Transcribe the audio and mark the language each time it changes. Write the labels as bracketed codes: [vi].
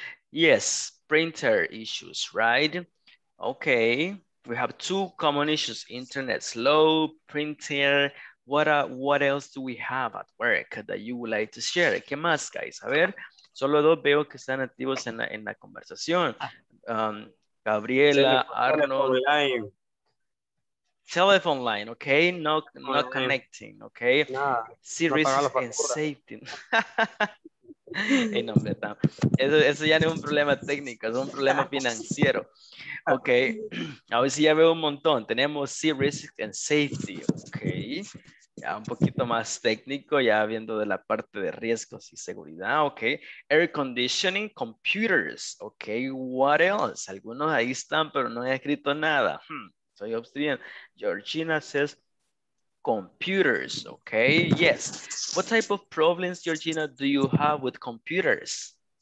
[en] Yes, printer issues, right? Okay, we have two common issues, internet slow, printer. What else do we have at work that you would like to share? [es] ¿Qué más, guys? A ver, solo dos veo que están activos en la conversación. [en] Gabriela, Arnold. Telephone line, okay? No connecting, okay? Nah, series no and safety. Hey, [es] no, eso ya no es un problema técnico, es un problema financiero. Ok, a ver si ya veo un montón. Tenemos C, [en] risk and safety. [es] Ok, ya un poquito más técnico, ya viendo de la parte de riesgos y seguridad. [en] Ok, air conditioning, computers. Ok, what else? [es] Algunos ahí están, pero no he escrito nada. Soy obstruyendo. [en] Georgina says, computers. Okay, yes. What type of problems, Georgina, do you have with computers?